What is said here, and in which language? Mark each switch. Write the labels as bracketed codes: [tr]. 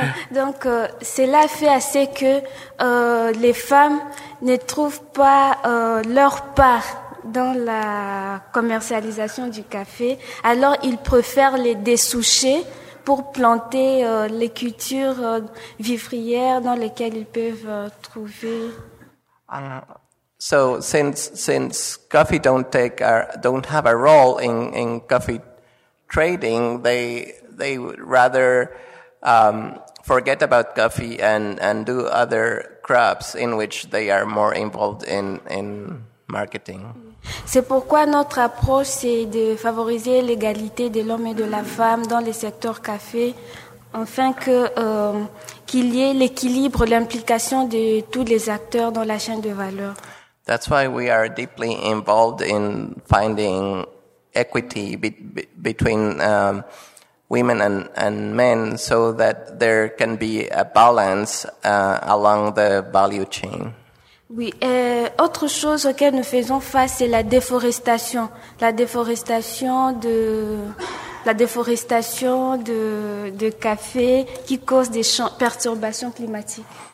[fr] Donc, cela fait assez que les femmes ne trouvent pas leur part dans la commercialisation du café. Alors, ils préfèrent les dessoucher pour planter les cultures vivrières dans lesquelles ils peuvent trouver. [en] So since coffee don't have a role in coffee trading, they would rather forget about coffee and do other crops in which they are more involved in marketing. [fr] C'est pourquoi notre approche c'est de favoriser l'égalité de l'homme et de la femme dans le secteur café, afin que qu'il y ait l'équilibre, l'implication de tous les acteurs dans la chaîne de valeur. [en] That's why we are deeply involved in finding equity between women and men, so that there can be a balance along the value chain. [fr] Oui, autre chose auquel nous faisons face, c'est la déforestation de café qui cause des perturbations climatiques.